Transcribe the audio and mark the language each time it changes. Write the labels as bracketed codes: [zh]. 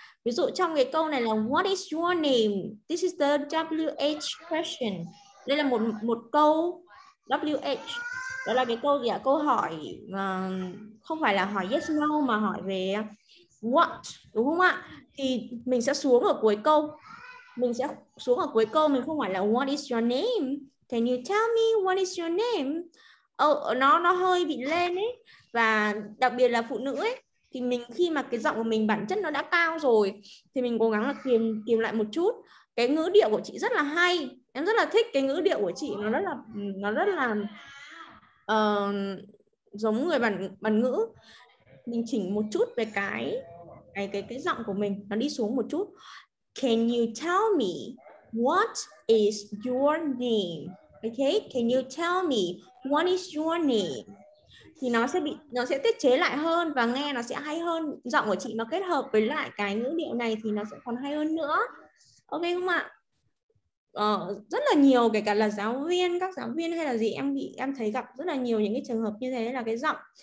[vi] Ví dụ trong cái câu này là [en] what is your name? This is the WH question. [vi] Đây là một câu WH. Đó là cái câu gì ạ? Câu hỏi không phải là hỏi yes no mà hỏi về what, đúng không ạ? Thì mình sẽ xuống ở cuối câu. Mình sẽ xuống ở cuối câu, mình không phải là [en] what is your name? Can you tell me what is your name? [vi] Nó hơi bị lên ấy. Và đặc biệt là phụ nữ ấy, thì mình khi mà cái giọng của mình bản chất nó đã cao rồi thì mình cố gắng là kiềm lại một chút. Cái ngữ điệu của chị rất là hay, em rất là thích cái ngữ điệu của chị, nó rất là giống người bản ngữ. Mình chỉnh một chút về cái giọng của mình, nó đi xuống một chút. [en] Can you tell me what is your name? Okay, can you tell me what is your name? [vi] Thì nó sẽ tiết chế lại hơn và nghe nó sẽ hay hơn. Giọng của chị nó kết hợp với lại cái ngữ điệu này thì nó sẽ còn hay hơn nữa. Ok không ạ? Rất là nhiều, kể cả là giáo viên, các giáo viên hay là gì, em thấy gặp rất là nhiều những cái trường hợp như thế, là cái giọng.